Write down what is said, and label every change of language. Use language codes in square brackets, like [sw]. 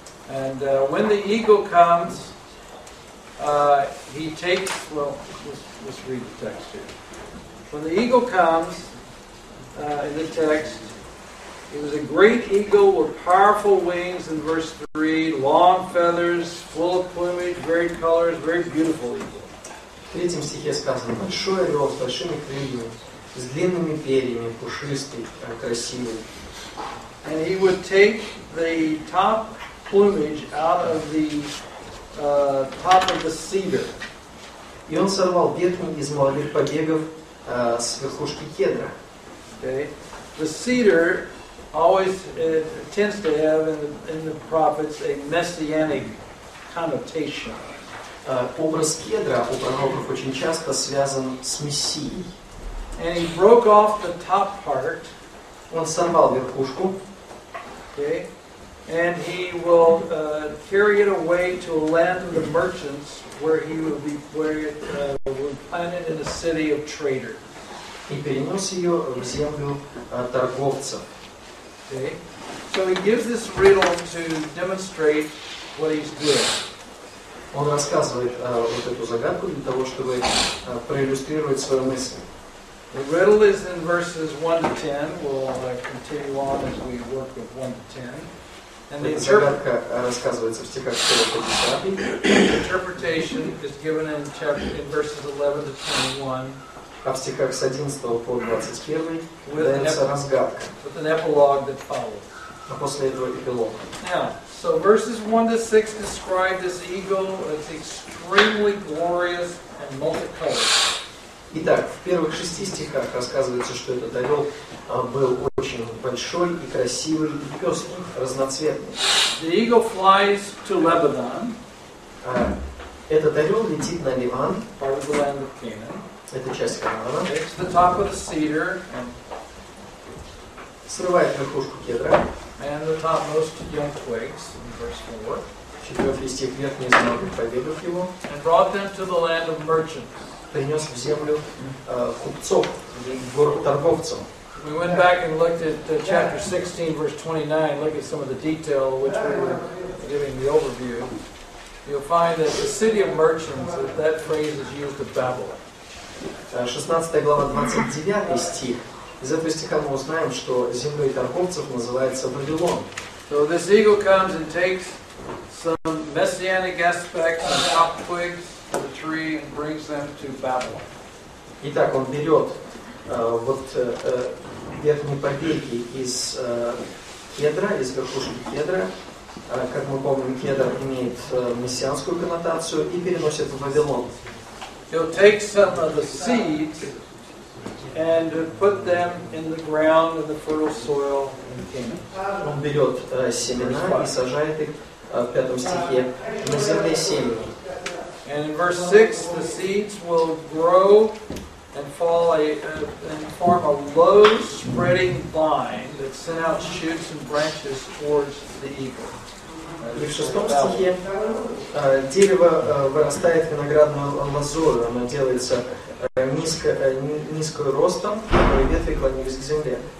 [en] And when the eagle comes, he takes, well, let's read the text here. When the eagle comes, in the text, it was a great eagle with powerful wings in verse 3, long feathers, full of plumage, varied colors, very beautiful eagle. [ru] В третьем стихе сказано, большой орел с большими крыльями, с длинными перьями, пушистый, красивый. [en] And he would take the top plumage out of the top of the cedar. [ru] И он сорвал ветви из молодых побегов с верхушки кедра. [en] Okay. The cedar always tends to have in the prophets a messianic connotation. [ru] Образ кедра у пророков очень часто связан с мессией. [en] And he broke off the top part. [ru] Он сорвал верхушку. [en] Okay. And he will carry it away to a land of the merchants, where he will be will plant it in a city of traders. [ru] И перенес ее в землю торговцев. [en] Okay. So he gives this riddle to demonstrate what he's doing. [ru] Он рассказывает вот эту загадку для того, чтобы проиллюстрировать свою мысль. [en] The riddle is in verses 1 to 10. We'll continue on as we work with 1 to 10. And the [ru] загадка рассказывается в стихах 4-5. [en] Interpretation is given in verses 11 to 21. [ru] А в стихах с 11 по 21 дается разгадка. [en] With an epilogue that follows. [ru] А после этого эпилог. [en] Now, so verses 1 to 6 describe this eagle as extremely glorious and multicolored. [ru] Итак, в первых шести стихах рассказывается, что этот орел был очень большой и красивый, и пестрый, разноцветный. [en] The eagle flies to Lebanon. [ru] Этот орел летит на Ливан. [en] Part of the land of Canaan. [ru] Это часть Канана. [en] It's the top of the cedar. [ru] Срывает верхушку кедра. [en] And the topmost young twigs, in verse 4. [ru] Четвертый стих верхний из многих побегов его. [en] And brought them to the land of merchants. [ru] Принес в землю купцов, торговцев. [en] We went back and looked at chapter 16, verse 29, look at some of the detail which we were giving the overview. You'll find that the city of merchants, that phrase is used of Babylon. [ru] 16 глава, 29 стих. Из этого стиха мы узнаем, что землей торговцев называется Вавилон. [en] So this eagle comes and takes some messianic aspects, some top twigs, the tree and brings them to Babylon. [ru] Итак, он берет вот верхние побеги из кедра, из верхушки кедра, как мы помним, кедр имеет мессианскую коннотацию, и переносит в Вавилон. [en] He'll take some of the seeds and put them in the ground in the fertile soil in Canaan. [ru] Он берет семена и сажает их в пятом стихе на земле семени. [en] And in verse 6, the seeds will grow and fall and form a low-spreading vine that sent out shoots and branches towards the eagle. [ru] И в шестом стихе дерево вырастает виноградную лозою, оно делается низкою ростом, и ветви клонились к земле.